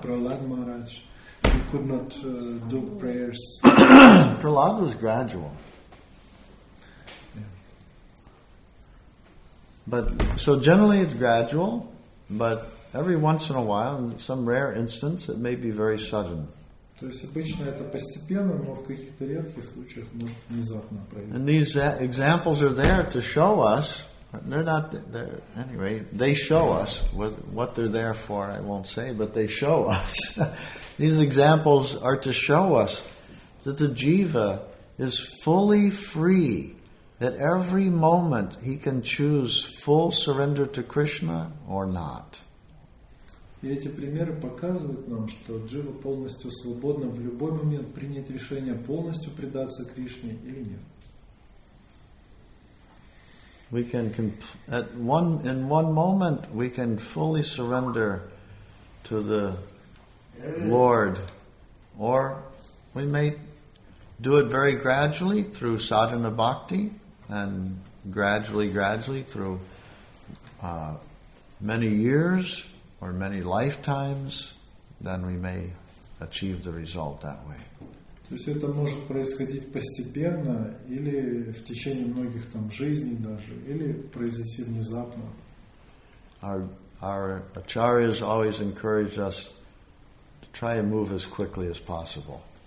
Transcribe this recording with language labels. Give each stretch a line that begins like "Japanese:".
English: Prahlad Maharaj. He could not do prayers. Prahlad was gradual. But so generally it's gradual, but every once in a while, in some rare instance, it may be very sudden.
Russian: То есть обычно это постепенно, но в каких-то редких случаях может внезапно произойти.
English: And these examples are there to show us, they're not there, anyway, they show us what they're there for, I won't say, but they show us. These examples are to show us that the jiva is fully free. At every moment he can choose full surrender to Krishna or not.
Russian: И эти примеры показывают нам, что джива полностью свободна в любой момент принять решение полностью предаться Кришне или нет.
English: We can in one moment we can fully surrender to the Lord, or we may do it very gradually through sadhana bhakti. And gradually through many years or many lifetimes, then we may achieve the result that way.
Russian: То есть это может происходить постепенно или в течение многих там жизней даже, или произойти внезапно.
English: Our acharyas always encourage us to try and move as quickly as possible.